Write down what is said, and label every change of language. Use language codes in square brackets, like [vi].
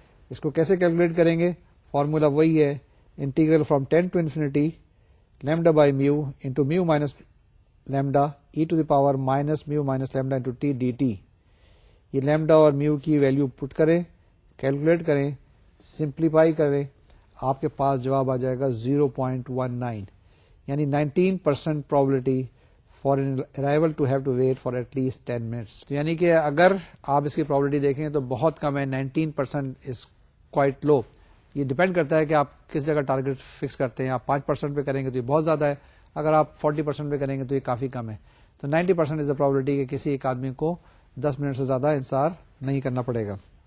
[ur] اس کو کیسے کیلکولیٹ کریں گے, [en] Formula وہی ہے, integral from 10 to infinity lambda by mu into mu minus lambda e to the power minus mu minus lambda into t d t. [ur] یہ lambda اور میو کی ویلیو پٹ کریں, کیلکولیٹ کریں, سمپلیفائی کریں, آپ کے پاس جواب آ جائے گا 0.19. [en] یعنی 19% probability for an arrival to have to wait for at least 10 minutes. [ur] تو یعنی کہ اگر آپ اس کی probability دیکھیں تو بہت کم ہے, [en] 19% is quite low. [ur] یہ depend کرتا ہے کہ آپ کس جگہ target fix کرتے ہیں. آپ 5% پہ کریں گے تو یہ بہت زیادہ ہے, اگر آپ 40% پہ کریں گے تو یہ کافی کم ہے. تو [en] 90% is the probability [ur] کہ کسی ایک آدمی کو 10 منٹ سے زیادہ انتظار نہیں کرنا پڑے گا.